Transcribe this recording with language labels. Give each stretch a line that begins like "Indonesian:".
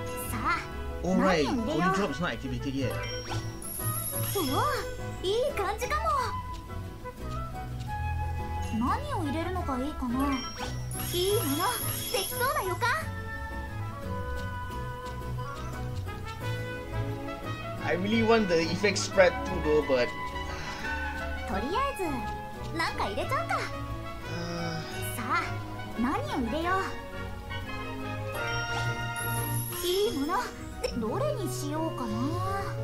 Japanese: さあ、
English: oh、
Japanese: 何を入れよう。
English: Holy drop is not activated yet.
Japanese: うわ、いい感じかも。何を入れるのがいいかな。いいもの、できそうな予感。
English: I really want the effect spread too though, but
Japanese: とりあえず、なんか入れちゃうか。さあ、何を入れよう。いいもの、で、どれにしようかな。